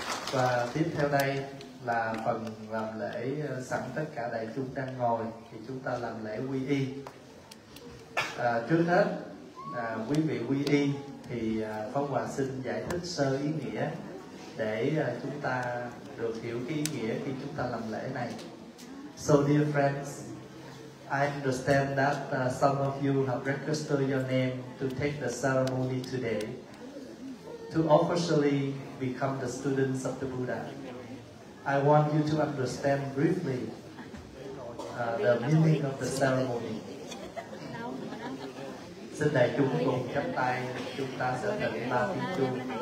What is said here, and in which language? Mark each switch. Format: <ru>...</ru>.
<vi>Và tiếp theo đây là phần làm lễ sẵn tất cả đại chúng đang ngồi, thì chúng ta làm lễ quy y. Trước hết, quý vị quy y thì Pháp Hòa xin giải thích sơ ý nghĩa để chúng ta được hiểu cái ý nghĩa khi chúng ta làm lễ này.</vi> <en>So dear friends, I understand that some of you have registered your name to take the ceremony today to officially become the students of the Buddha. I want you to understand briefly the meaning of the ceremony.</en> <vi>Xin đại chúng cùng chắp tay, chúng ta sẽ đảnh ba tiếng chuông.</vi>